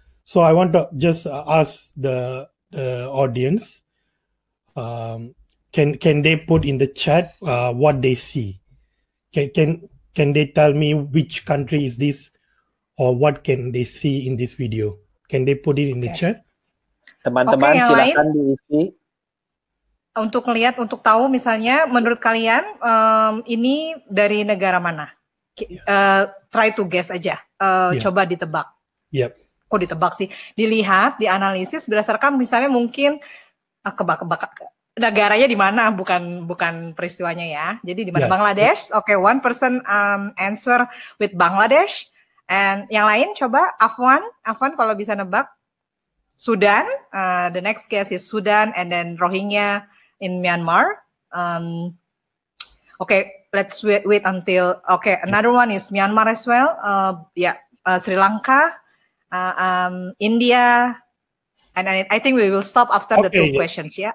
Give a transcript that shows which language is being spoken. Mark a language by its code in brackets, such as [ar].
[en] So I want to just ask the audience. Can they put in the chat what they see? Can they tell me which country is this, or what can they see in this video? Can they put it in the chat? [id] Teman-teman, okay, silakan lain. Diisi. Untuk melihat, untuk tahu, misalnya, menurut kalian ini dari negara mana? [en] Try to guess [id] aja. Coba ditebak. [en] Yep. [id] Kok ditebak sih? Dilihat, dianalisis berdasarkan misalnya mungkin kebak-kebak. Negaranya di mana, bukan peristiwanya ya. Jadi di mana, yeah. Bangladesh. Yeah. [en] Oke, okay, one person answer with Bangladesh. [id] And yang lain coba Afwan kalau bisa nebak. [en] Sudan, the next case is Sudan and then Rohingya in Myanmar. Okay, let's wait until, okay, another one is Myanmar as well. Sri Lanka, India. And I think we will stop after the two questions, ya.